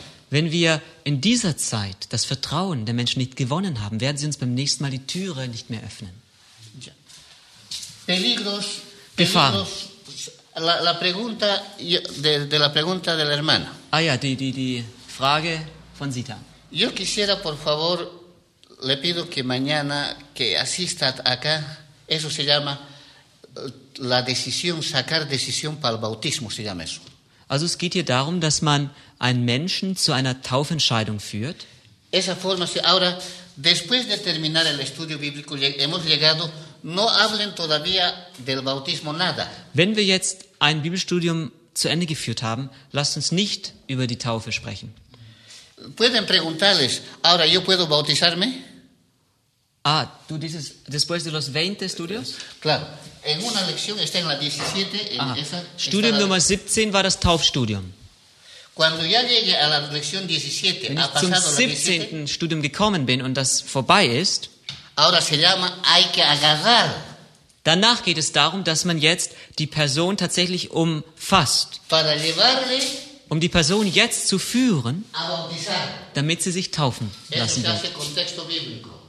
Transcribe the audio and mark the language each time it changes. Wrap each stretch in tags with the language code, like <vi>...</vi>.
<de>Wenn wir in dieser Zeit das Vertrauen der Menschen nicht gewonnen haben, werden sie uns beim nächsten Mal die Türe nicht mehr öffnen.</de> <es>Peligros.</es> <de>Gefahr.</de> <es>La pregunta de la pregunta de la hermana.</es> <de>Ah ja, die Frage von Sita.</de> <es>Yo quisiera, por favor, le pido que mañana que asista acá, eso se llama la decisión, sacar decisión para el bautismo, se llama eso.</es> <de>Also es geht hier darum, dass man einen Menschen zu einer Taufentscheidung führt.</de> <es>Esa forma, ahora, después de terminar el estudio bíblico, hemos llegado, no hablen todavía del bautismo nada.</es> <de>Wenn wir jetzt ein Bibelstudium zu Ende geführt haben, lasst uns nicht über die Taufe sprechen.</de> <es>Pueden preguntarles, ahora yo puedo bautizarme? Ah, tú dices, después de los 20 estudios? Claro, en una lección está en la 17.</es> <de>Studium Nummer 17 war das Taufstudium.</de> <es>Cuando ya llegue a la lección 17,</es> <de>wenn ich zum 17. Studium gekommen bin und das vorbei ist,</de> <es>ahora se llama, hay que agarrar.</es> <de>Danach geht es darum, dass man jetzt die Person tatsächlich umfasst.</de> <es>Para llevarle,</es> <de>um die Person jetzt zu führen, damit sie sich taufen lassen wird.</de>